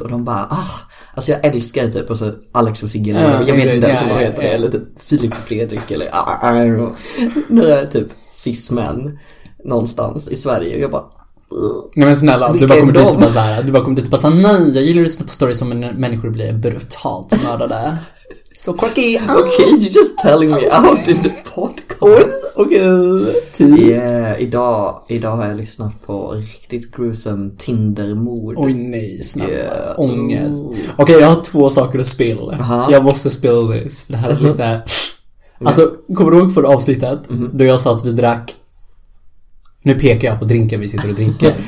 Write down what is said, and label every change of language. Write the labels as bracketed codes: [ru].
[sv] Och de bara, ah, alltså jag älskar det, typ. Och så Alex och Sigge, jag vet inte ens vad de heter. Eller typ Filip och Fredrik, eller ah, [en] I don't know. [sv] Nu är jag typ cis-män någonstans i Sverige. Och jag bara... Nej men snälla, du bara kommer dit och bara så här, du bara kommer dit och bara så här, nej, jag gillar att lyssna på stories om människor blir brutalt mördade. Så quirky. [en] Okay, you're just telling me out in the podcast. Okay. [sv] Yeah, idag har jag lyssnat på riktigt gruesome Tinder-mord. Oj nej, snälla, yeah. Ångest. Okej, okay, jag har två saker att spela. Jag måste spela this. Det här är lite... Alltså, kommer du ihåg för avsnittet då jag sa att vi drack... Nu pekar jag på drinken vi sitter och dricker.